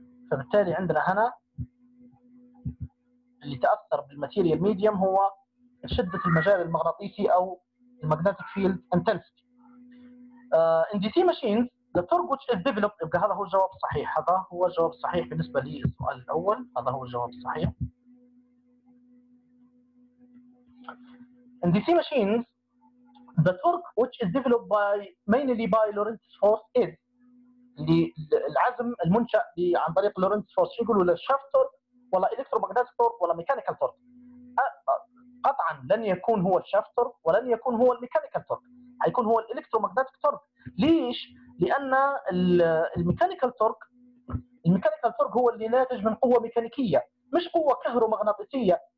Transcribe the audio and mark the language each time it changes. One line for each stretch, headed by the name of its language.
Arabic: فبالتالي عندنا هنا اللي تأثر بالماتيريال ميديوم هو شدة المجال المغناطيسي أو الماجنتيك فيلد انتنسيتي.
English: In DC machines The tool which is developed,
Arabic: يبقى هذا هو الجواب الصحيح. هذا هو الجواب الصحيح بالنسبة لي السؤال الأول. هذا هو الجواب الصحيح.
English: In DC machines, the torque which is developed by mainly by Lorentz force is
Arabic: العزم المنشأ عن طريق
English: Lorentz force.
Arabic: يقولوا له shaft torque ولا electromagnetic torque ولا mechanical torque. قطعا لن يكون هو shaft torque ولن يكون هو mechanical torque. هيكون هو electromagnetic torque. ليش؟ لأن الميكانيكال تورك، الميكانيكال تورك هو اللي ناتج من قوة ميكانيكية، مش قوة كهرومغناطيسية.